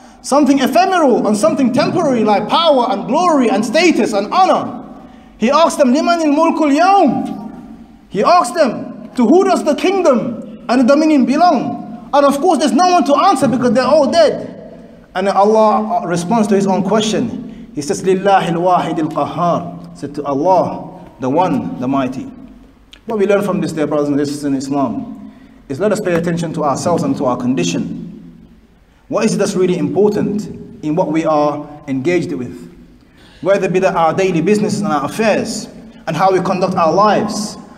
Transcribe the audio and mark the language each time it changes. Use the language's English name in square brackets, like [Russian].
[English] Something ephemeral and something temporary like power and glory and status and honor. He asked them, [Arabic] لِمَنْ الْمُلْكُ الْيَوْمِ? [English] He asked them, to who does the kingdom and the dominion belong? And of course, there's no one to answer because they're all dead. And Allah responds to his own question. He says, [Arabic] لله الواحد القهار. [English] Said to Allah, the One, the Mighty. What we learn from this, dear brothers and sisters in Islam, is let us pay attention to ourselves and to our condition. What is it that's really important in what we are engaged with? Whether it be that our daily business and our affairs and how we conduct our lives.